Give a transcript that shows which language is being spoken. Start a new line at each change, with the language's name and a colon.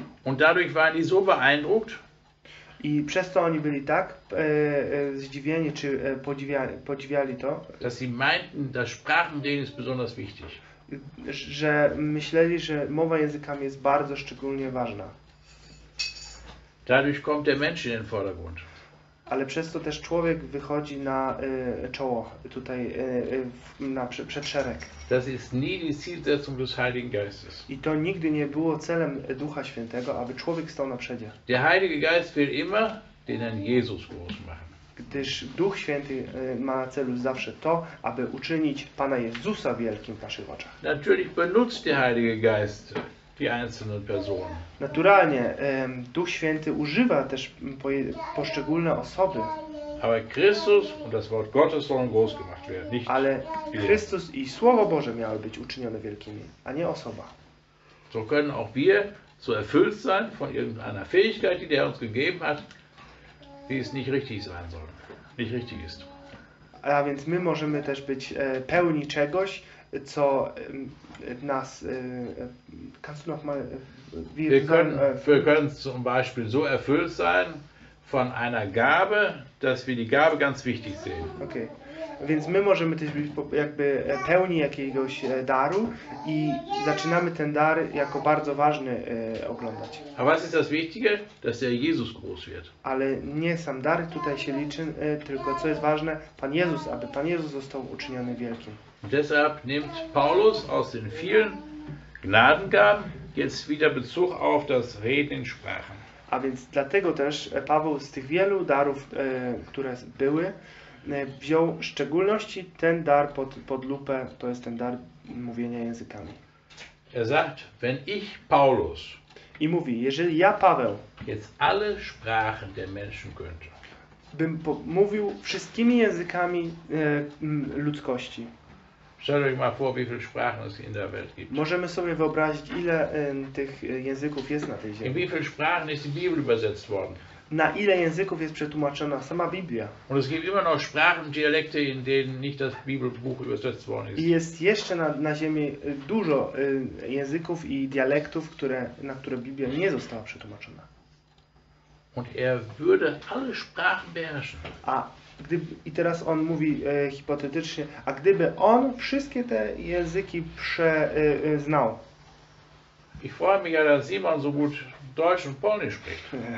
German: Und dadurch waren die so beeindruckt.
Polish: I przez to oni byli tak zdziwieni, czy podziwiali to,
German: dass sie meinten, dass Sprachenreden ist besonders wichtig.
Polish: Że myśleli, że mowa językami jest bardzo szczególnie ważna.
German: Dadurch kommt der Mensch in den Vordergrund.
Polish: Ale przez to też człowiek wychodzi na czoło, tutaj na przed szereg.
German: Das ist nie die Zielsetzung des Heiligen Geistes.
Polish: I to nigdy nie było celem Ducha Świętego, aby człowiek stał na przodzie.
German: Der Heilige Geist will immer den Herrn Jesus groß machen.
Polish: Gdyż Duch Święty ma na celu zawsze to, aby uczynić Pana Jezusa wielkim w naszych oczach.
German: Natürlich benutzt der Heilige Geist die einzelnen Personen.
Polish: Naturalnie, Duch Święty używa też poszczególne osoby.
German: Aber Christus und das Wort Gottes sollen groß gemacht werden, nicht.
Polish: Ale Chrystus i Słowo Boże miały być uczynione wielkimi, a nie osoba.
German: So können auch wir so erfüllt sein von irgendeiner Fähigkeit, die der uns gegeben hat, die es nicht richtig sein soll, nicht richtig ist.
Polish: A więc my możemy też być pełni czegoś, co nas
German: kannst du noch mal wir können zum Beispiel so erfüllt sein von einer Gabe, dass wir die Gabe ganz wichtig sehen. Okay.
Polish: Więc my możemy też być jakby pełni jakiegoś daru i zaczynamy ten dar jako bardzo ważny oglądać.
German: A was ist das Wichtige? Dass der Jesus groß wird.
Polish: Ale nie sam dar tutaj się liczy, tylko co jest ważne, Pan Jezus, aby Pan Jezus został uczyniony wielkim.
German: Deshalb nimmt Paulus aus den vielen Gnadengaben jetzt wieder Bezug auf das Reden in Sprachen.
Polish: A więc dlatego też Paweł z tych wielu darów, które były, wziął w szczególności ten dar pod lupę, to jest ten dar mówienia językami.
German: Er sagt, wenn ich Paulus,
Polish: i mówi, jeżeli ja Paweł
German: jetzt alle Sprachen der Menschen könnte,
Polish: bym mówił wszystkimi językami ludzkości.
German: Stell dir mal vor, wie viele Sprachen es in der Welt gibt.
Polish: Możemy sobie wyobrazić, ile tych języków jest na tej ziemi.
German: In wie vielen Sprachen ist die Bibel übersetzt worden?
Polish: Na ile języków jest przetłumaczona sama Biblia?
German: Und es gibt immer noch Sprachen, Dialekte, in denen nicht das Bibelbuch übersetzt worden ist.
Polish: I jest jeszcze na ziemi dużo języków i dialektów, na które Biblia nie została przetłumaczona.
German: Und er würde alle Sprachen beherrschen.
Polish: I teraz on mówi hipotetycznie, a gdyby on wszystkie te języki znał.
German: Ich freue mich ja, dass Simon so gut Deutsch und Polnisch spricht.